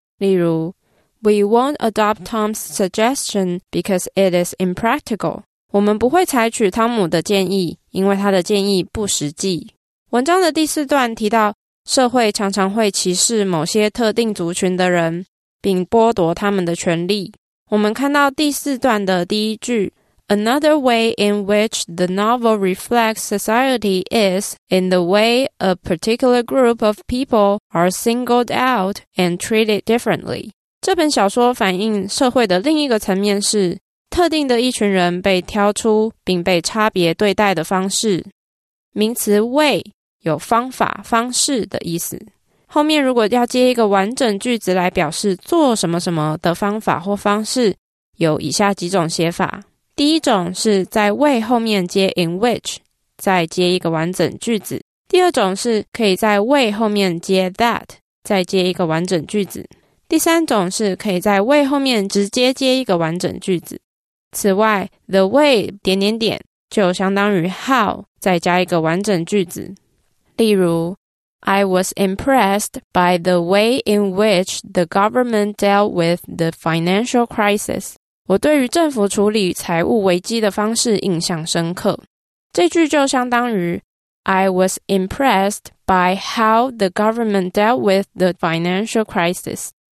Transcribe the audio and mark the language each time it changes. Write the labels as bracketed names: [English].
[Chinese] 例如 [English] We won't adopt Tom's suggestion because it is impractical， [Chinese] 我们不会采取汤姆的建议，因为他的建议不实际。文章的第四段提到，社会常常会歧视某些特定族群的人，并剥夺他们的权利。我们看到第四段的第一句 [English] Another way in which the novel reflects society is in the way a particular group of people are singled out and treated differently. [Chinese] 这本小说反映社会的另一个层面是特定的一群人被挑出并被差别对待的方式。名词 way 有方法、方式的意思，后面如果要接一个完整句子来表示做什么什么的方法或方式，有以下几种写法。第一种是在 way 后面接 in which 再接一个完整句子。第二种是可以在 way 后面接 that 再接一个完整句子。第三种是可以在 way 后面直接接一个完整句子。此外 the way 点点点就相当于 how 再加一个完整句子。例如 [English] I was impressed by the way in which the government dealt with the financial crisis. [Chinese] 我对于政府处理财务危机的方式印象深刻。这句就相当于 [English] I was impressed by how the government dealt with the financial crisis.